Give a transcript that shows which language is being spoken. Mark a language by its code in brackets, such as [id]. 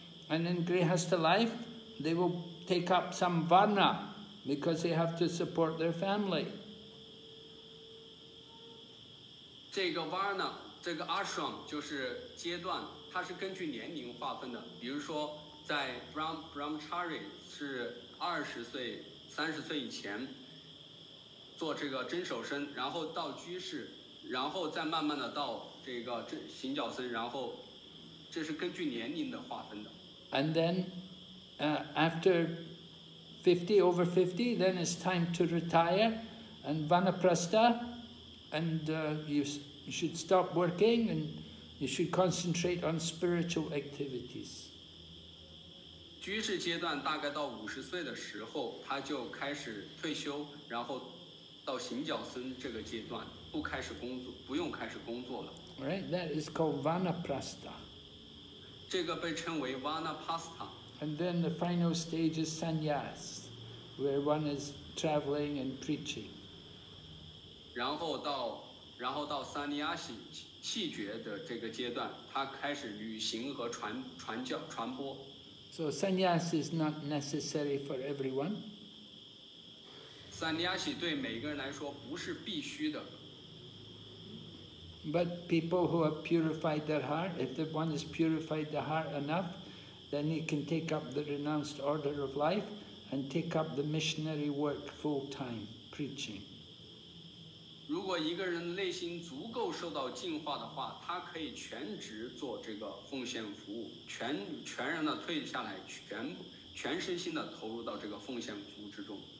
[en] And in grihastha life, they will take up some varna because they have to support their family. This varna, this ashram, is a stage, it is based on age. For example, in brahmachari, it is 20 years old. [zh] 30岁以前做这个真守僧，然后到居士，然后再慢慢的到这个行脚僧，然后这是根据年龄的划分的。 [en] And then, after 50, over 50, then it's time to retire and vanaprastha, and you should stop working and you should concentrate on spiritual activities. [zh] 居士阶段大概到五十岁的时候，他就开始退休，然后到行脚僧这个阶段，不开始工作，不用开始工作了。 [en] Right, that is called Vanaprastha. [zh] 这个被称为 Vanaprastha. [en] And then the final stage is sannyas, where one is traveling and preaching. [zh] 然后到萨尼亚西气绝的这个阶段，他开始旅行和传播。 [en] So sannyas is not necessary for everyone. [zh] Sannyas 对每个人来说不是必须的。 [en] But people who have purified their heart, if the one has purified the heart enough, then he can take up the renounced order of life and take up the missionary work full time, preaching. [zh] 如果一个人内心足够受到净化的话，他可以全职做这个奉献服务，全然的退下来，全身心的投入到这个奉献服务之中。